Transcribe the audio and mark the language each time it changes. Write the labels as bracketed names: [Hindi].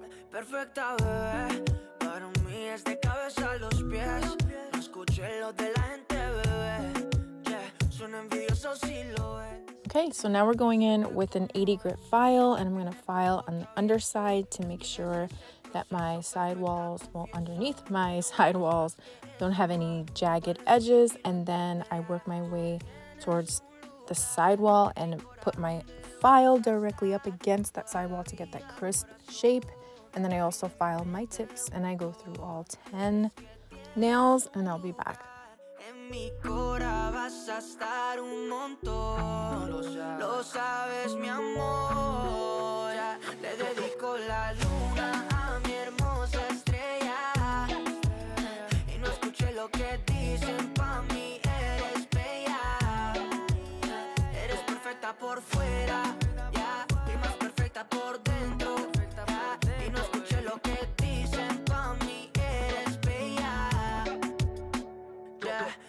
[Spanish] Perfecta, bebé, para mí es de cabeza a los pies. No escuché lo de la gente, bebé, yeah, son envidiosos si lo ves. [English] Okay, so now we're going in with an 80 grit file, and I'm going to file on the underside to make sure that my sidewalls, well, underneath my sidewalls, don't have any jagged edges. And then I work my way towards the sidewall and put my file directly up against that sidewall to get that crisp shape. And then I also file my tips, and I go through all 10 nails, and I'll be back. [Spanish] En mi cora vas a estar un montón, lo sabes mi amor, ya le dedico la luna a mi hermosa estrella, y no escuché lo que dicen pa' mí, eres bella, eres perfecta por fuera, ya, y más perfecta por dentro, ya, y no escuché lo que dicen pa' mí, eres bella, ya.